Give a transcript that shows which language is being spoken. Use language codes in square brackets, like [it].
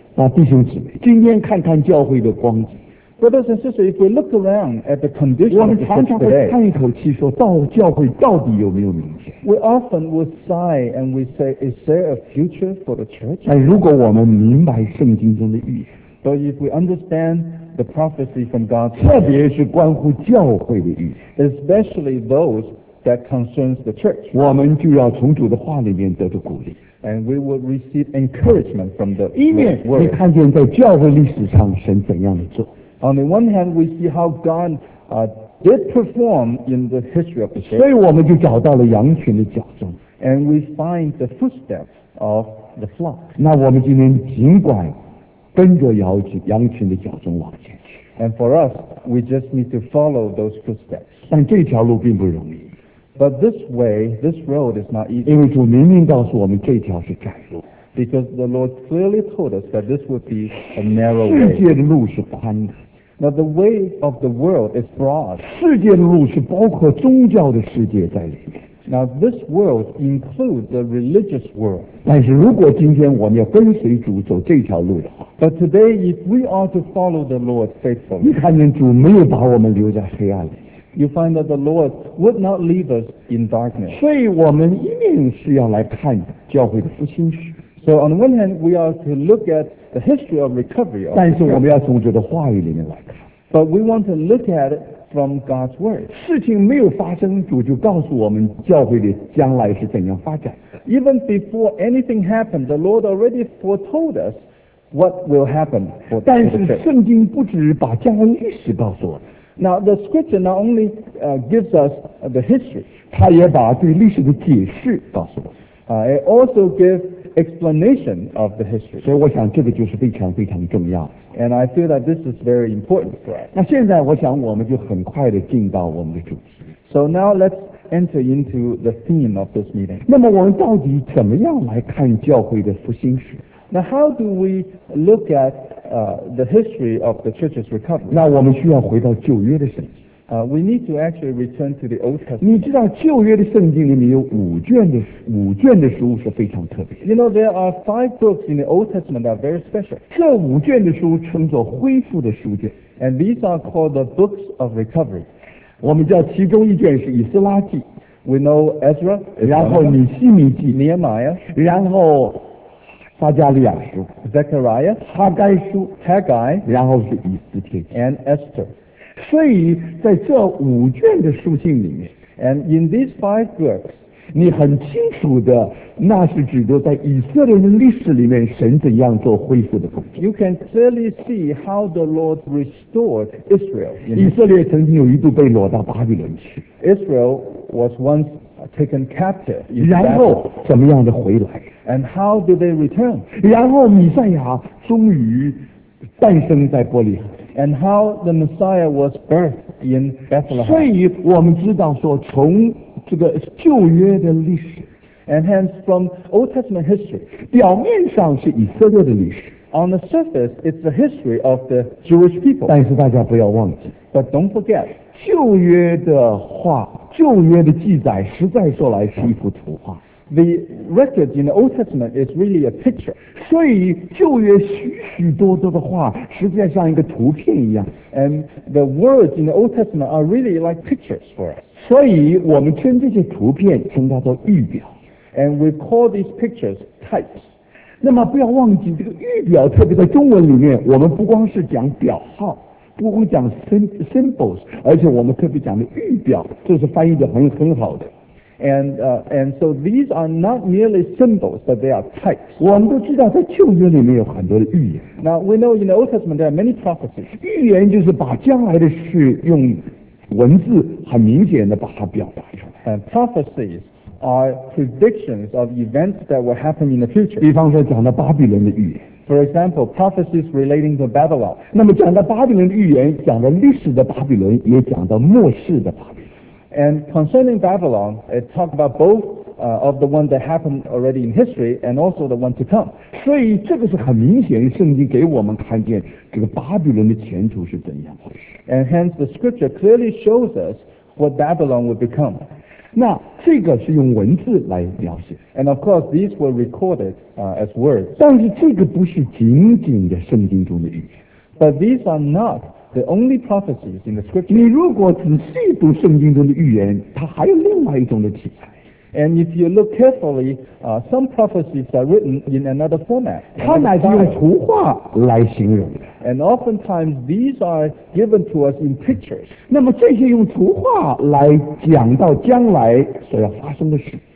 [zh] 那弟兄姊妹，今天看看教会的光景。 [en] Brothers and sisters, if we look around at the condition of the church today, [zh] 我们常常会叹一口气说，到教会到底有没有明天？ [en] We often would sigh and we say, is there a future for the church? [zh] 那如果我们明白圣经中的预言， [en] But if we understand the prophecy from God's [zh] word, 特别是关乎教会的预言， [en] especially those that concerns the church, [zh] 我们就要从主的话里面得到鼓励。 [en] And we will receive encouragement from the word. [zh] 一面你看见在教会历史上神怎样的做。 [en] On the one hand, we see how God, did perform in the history of the church. [zh] 所以我们就找到了羊群的脚踪。 [en] And we find the footsteps of the flock. [zh] 那我们今天尽管跟着羊群的脚踪往前去。 [en] And for us, we just need to follow those footsteps. [zh] 但这条路并不容易。 [en] But this way, this road is not easy. [zh] 因为主明明告诉我们这条是窄路。 [en] Because the Lord clearly told us that this would be a narrow way. [zh] 世界的路是宽的。 [en] Now the way of the world is broad. [zh] 世界的路是包括宗教的世界在里面。 [en] Now this world includes the religious world. [zh] 但是如果今天我们要跟随主走这条路的话， [en] But today if we are to follow the Lord faithfully, [zh] 你看见主没有把我们留在黑暗里。 [en] You find that the Lord would not leave us in darkness. [zh] 所以我们一定是要来看教会的复兴史。 [en] So on the one hand, we are to look at the history of recovery. [zh] 但是我们要从主的话语里面来看。 [en] But we want to look at it from God's word. [zh] 事情没有发生，主就告诉我们教会的将来是怎样发展。 [en] Even before anything happened, the Lord already foretold us what will happen for the church. [zh] 但是圣经不只把将来历史告诉我们。 [en] Now the scripture not only gives us the history, [zh] 它也把对历史的解释告诉我们。 [en] It also gives explanation of the history. [zh] 所以我想这个就是非常非常重要。 [en] And I feel that this is very important for us. [zh] 那现在我想我们就很快地进到我们的主题。 [en] So now let's enter into the theme of this meeting. [zh] 那么我们到底怎么样来看教会的复兴史？ [en] Now how do we look at the history of the church's recovery? [zh] 那我们需要回到旧约的圣经。 [en] We need to actually return to the Old Testament. [zh] 你知道旧约的圣经里面有五卷的书是非常特别的。 [en] You know, there are five books in the Old Testament that are very special. [zh] 这五卷的书称作恢复的书卷。 [en] And these are called the books of recovery. [zh] 我们叫其中一卷是以斯拉记。 [en] We know Ezra. [zh] 然后尼希米记。 [en] Nehemiah. [zh] 然后撒加利亚书。 [en] Zechariah. [zh] 哈该书。 [en] Haggai. [zh] 然后是以斯帖记。 [en] And Esther. [zh] 所以在这五卷的书信里面 [en] And in these five books [zh] 你很清楚的，那是指着在以色列人历史里面神怎样做恢复的工作。 [en] You can clearly see how the Lord restored Israel. [zh] 以色列曾经有一度被掳到巴比伦去。 [en] Israel was once taken captive. [zh] 然后怎么样的回来 [en] ？And how did they return? [zh] 然后弥赛亚终于诞生在伯利恒。 [en] And how the Messiah was birthed in Bethlehem. [zh] 所以我们知道说从这个旧约的历史 [en] And hence from Old Testament history [zh] 表面上是以色列的历史 [en] On the surface, it's the history of the Jewish people [zh] 但是大家不要忘记 [en] But don't forget [zh] 旧约的话旧约的记载实在说来是一幅图画 [en] The record in the Old Testament is really a picture. [zh] 所以旧约许许多多的话实际上像一个图片一样。 [en] And the words in the Old Testament are really like pictures for us. [zh] 所以我们称这些图片称它做预表。 [en] And we call these pictures types. [zh] 那么不要忘记这个预表特别在中文里面我们不光是讲表号不光讲 symbols, 而且我们特别讲的预表这是翻译的很好的。 [en] And so these are not merely symbols, but they are types. [zh] 我们都知道在旧约里面有很多的预言。 [en] Now we know in the Old Testament there are many prophecies. [zh] 预言就是把将来的事用文字很明显的把它表达出来。 [en] And prophecies are predictions of events that will happen in the future. [zh] 比方说讲到巴比伦的预言。 [en] For example, prophecies relating to Babylon. [zh] 那么讲到巴比伦的预言，讲到历史的巴比伦，也讲到末世的巴比伦。 [en] And concerning Babylon, it talked about both, of the one that happened already in history and also the one to come. [zh] 所以这个是很明显圣经给我们看见这个巴比伦的前途是怎样的。 [en] And hence the scripture clearly shows us what Babylon would become. [zh] 那这个是用文字来描写。 [en] And of course these were recorded, as words. [zh] 但是这个不是仅仅的圣经中的预言。 [en] But these are not The only prophecies in the scripture. [zh] 你如果仔细读圣经中的预言，它还有另外一种的题材。 [en] And if you look carefully, some prophecies are written in another format. [zh] 它乃是用图画来形容的。 [en] And oftentimes these are given to us in pictures. [zh] 那么这些用图画来讲到将来所要发生的事。